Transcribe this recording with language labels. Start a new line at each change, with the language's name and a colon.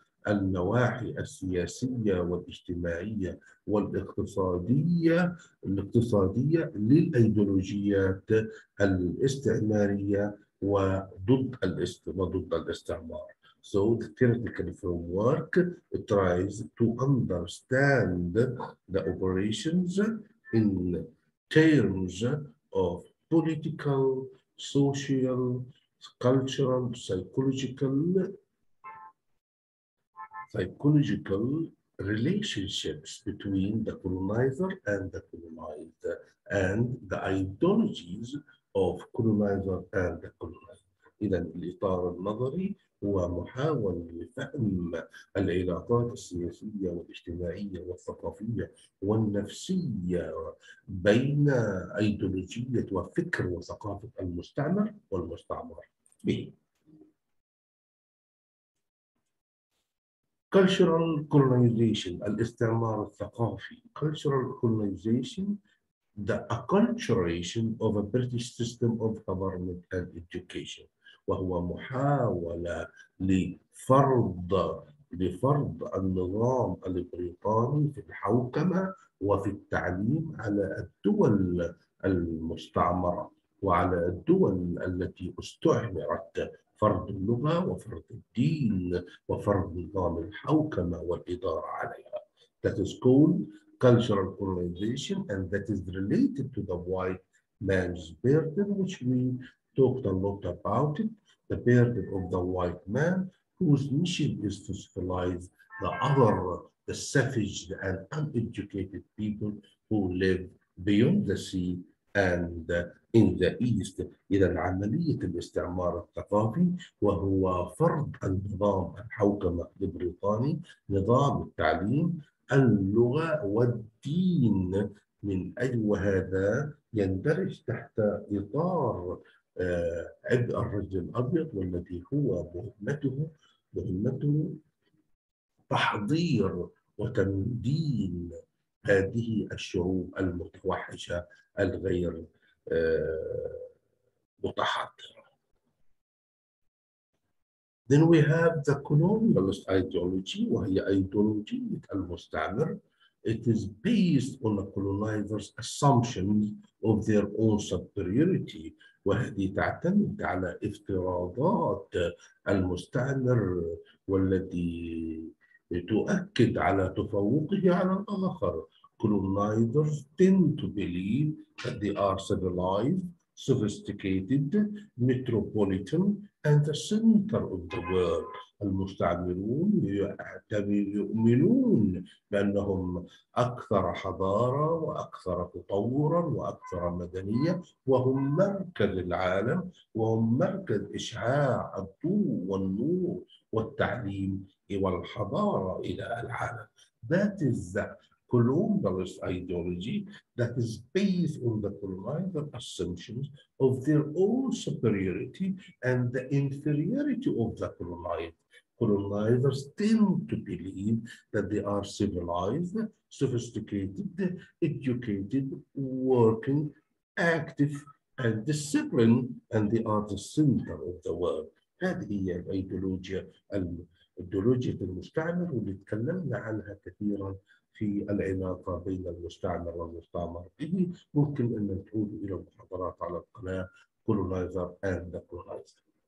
Arabic: النواحي السياسية والاجتماعية والاقتصادية للأيديولوجيات الاستعمارية وضد وضد الاستعمار.
English: So the theoretical framework tries to understand the operations in terms of political, social, cultural, psychological relationships between the colonizer and the colonized, and the ideologies of colonizer and the colonized.
Arabic: إذن الإطار النظري هو محاولة لفهم العلاقات السياسية والاجتماعية والثقافية والنفسية بين أيديولوجية وفكر وثقافة المستعمر والمستعمر.
English: Cultural colonization,
Arabic: الاستعمار الثقافي.
English: Cultural colonization, the acculturation of a British system of government and education.
Arabic: وهو محاولة لفرض النظام البريطاني في الحوكمة وفي التعليم على الدول المستعمرة وعلى الدول التي استعمرت. فرض اللغة وفرض الدين وفرض نظام الحوكمة والإدارة عليها.
English: That is called cultural colonization, and that is related to the white man's burden, which we talked a lot about it. The burden of the white man, whose mission is to civilize the other, the savaged and uneducated people who live beyond the sea and in the east.
Arabic: إذا عملية الاستعمار الثقافي وهو فرض النظام الحوكمة البريطاني، نظام التعليم، اللغة والدين من أجل، وهذا يندرج تحت إطار عبء الرجل الأبيض والذي هو مهمته تحضير وتمدين هذه الشعوب المتوحشة الغير متحضرة.
English: Then we have the colonialist ideology,
Arabic: وهي أيديولوجية المستعمر.
English: It is based on the colonizers' assumptions of their own superiority.
Arabic: وهذه تعتمد على افتراضات المستعمر والذي تؤكد على تفوقه على الآخر.
English: Colonizers tend to believe that they are civilized, sophisticated, metropolitan, and the center of the world.
Arabic: المستعمرون يؤمنون بأنهم أكثر حضارة وأكثر تطورا وأكثر مدنية، وهم مركز العالم، وهم مركز إشعاع الضوء والنور والتعليم والحضارة إلى العالم.
English: That is the colonialist ideology that is based on the colonizer assumptions of their own superiority and the inferiority of the colonized. Colonizers tend to believe that they are civilized, sophisticated, educated, working, active, and disciplined, and they are the center of the world.
Arabic: هذه هي الأيديولوجيا، الأيديولوجيا المستعمر، واللي تكلمنا عنها كثيرا في العلاقة بين المستعمر والمستعمر. ممكن أن نعود إلى المحاضرات على القناة
English: Colonizer and the Colonizer.